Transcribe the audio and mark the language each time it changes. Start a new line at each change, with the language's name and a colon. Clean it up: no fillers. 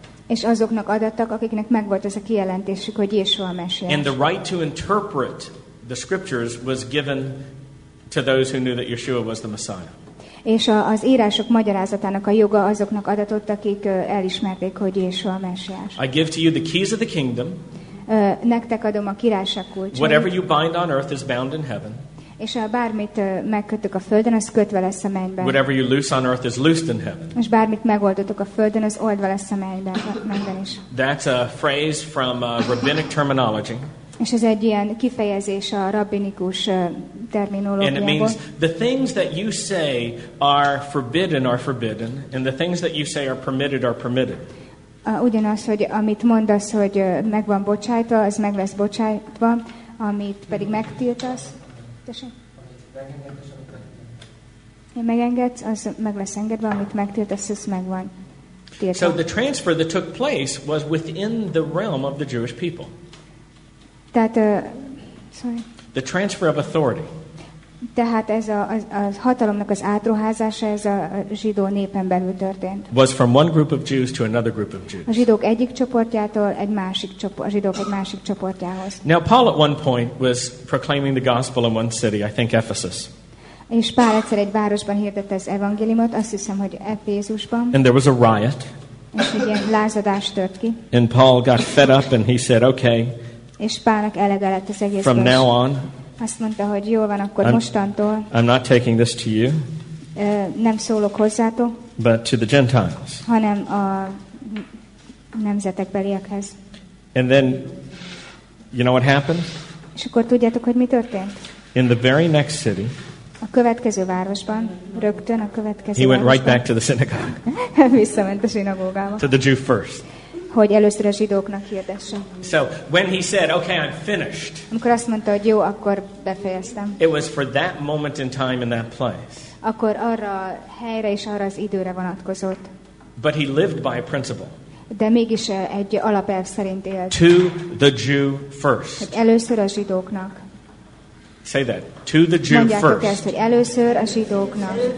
Hungarian: És azoknak adattak, akiknek megvolt ez a kijelentésük, hogy Yeshua a Mesiás.
English: And the right to interpret the scriptures was given to those who knew that Yeshua was the Messiah.
Hungarian: És az írások magyarázatának a joga azoknak adatott, akik elismerték, hogy Yeshua a Mesiás.
English: I give to you the keys of the kingdom.
Hungarian: Nektek adom a királyság kulcsát.
English: Whatever you bind on earth is bound in heaven.
Hungarian: És ha bármit megkötök a földön, az kötve lesz a mennyben.
English: Whatever you loose on earth is loosed in heaven.
Hungarian: És bármit megoldotok a földön, az oldva lesz a mennyben is.
English: That's a phrase from rabbinic terminology.
Hungarian: És ez egy ilyen kifejezés a rabbinikus terminológiából.
English: And it means the things that you say are forbidden, and the things that you say are permitted.
Hungarian: Ugyanaz, hogy amit mondasz, hogy meg van bocsájtva, az meg lesz bocsájtva, amit pedig megtiltasz. Én megengedsz, az meg lesz engedve, amit megtiltasz, az megvan.
English: So the transfer that took place was within the realm of the Jewish people.
Hungarian: Tehát, sorry.
English: The transfer of authority.
Hungarian: Tehát ez a hatalomnak az átruházása, ez a zsidó népen belül történt.
English: Was from one group of Jews to another group of Jews.
Hungarian: A zsidók egyik csoportjától egy másik csoport, a zsidók egy másik csoportjához.
English: Now Paul at one point was proclaiming the gospel in one city, I think Ephesus.
Hungarian: És Pál egyszer egy városban hirdette az evangéliumot, azt hiszem, hogy Efézusban.
English: And there was a riot.
Hungarian: És egy ilyen lázadás tört ki.
English: And Paul got fed up and he said, okay.
Hungarian: És Pálnak elege lett az egészből.
English: From now on.
Hungarian: Azt mondta, hogy jó van, akkor mostantól.
English: I'm not taking this to you.
Hungarian: Nem szólok hozzátok.
English: But to the Gentiles.
Hungarian: Hanem a nemzetek beliekhez.
English: And then, you know what happened?
Hungarian: És akkor tudjátok, hogy mi történt?
English: In the very next city.
Hungarian: A következő városban, rögtön a következő városban.
English: He went right back to the synagogue.
Hungarian: Visszament a zsinagógába.
English: To the Jew first.
Hungarian: Hogy először a zsidóknak hirdessen.
English: So when he said, "Okay, I'm finished."
Hungarian: Amikor azt mondta, hogy jó, akkor befejeztem.
English: It was for that moment in time and that place.
Hungarian: Akkor arra a helyre és arra az időre vonatkozott.
English: But he lived by a principle.
Hungarian: De mégis egy alapelv szerint élt.
English: To the Jew first.
Hungarian: Hogy először a zsidóknak.
English: Say that. To the Jew
Hungarian: mondjátok
English: first.
Hungarian: Mondjátok ezt, hogy először a zsidóknak.